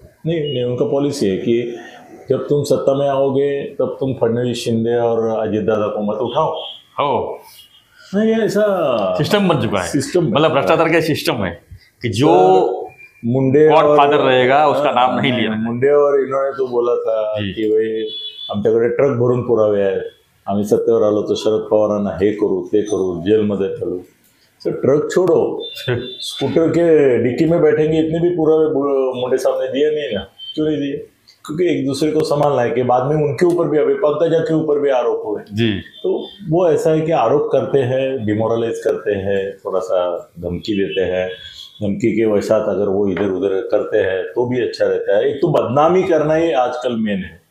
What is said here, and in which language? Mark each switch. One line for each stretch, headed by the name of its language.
Hindi: नहीं, उनका पॉलिसी है कि जब तुम सत्ता में आओगे तब तुम फडणवीस शिंदे और अजीत दादा को मत उठाओ। हो नहीं, ऐसा सिस्टम बन चुका है, सिस्टम मतलब भ्रष्टाचार का सिस्टम है कि जो मुंडे गॉडफादर रहेगा उसका नाम नहीं लिया। मुंडे और इन्होंने तो बोला था कि भाई
Marathi: आमच्याकडे ट्रक भरून पुरावे आहेत, आम्ही सत्तेवर आलो तर शरद पवारांना हे करू ते करू जेलमध्ये चालू।
Hindi: सर ट्रक छोड़ो, स्कूटर के डिक्की में बैठेंगे, इतने भी पुरावे मुंडे साहब ने दिए नहीं ना, क्यों नहीं दिए, क्योंकि एक दूसरे को संभालना है कि बाद में उनके ऊपर भी अभी पंकजा के ऊपर भी आरोप हुए जी। तो वो ऐसा है कि आरोप करते हैं, डिमोरलाइज करते हैं, थोड़ा सा धमकी देते हैं, धमकी के वसात अगर वो इधर उधर करते हैं तो भी अच्छा रहता है। एक तो बदनामी करना ही आजकल मेन है